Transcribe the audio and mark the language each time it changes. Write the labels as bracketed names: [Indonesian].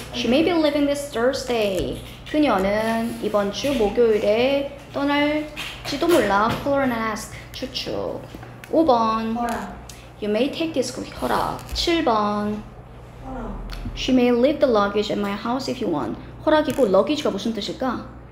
[English] She may be leaving this Thursday. [Korean] 그녀는 이번 주 목요일에 떠날지도 몰라. [English] Call and ask. [Korean] 추측. 5번 허락. [English] You may take this cookie. [Korean] 허락. 7번 허락. [English] She may leave the luggage at my house if you want. [Korean] 허락이고 luggage가 무슨 뜻일까?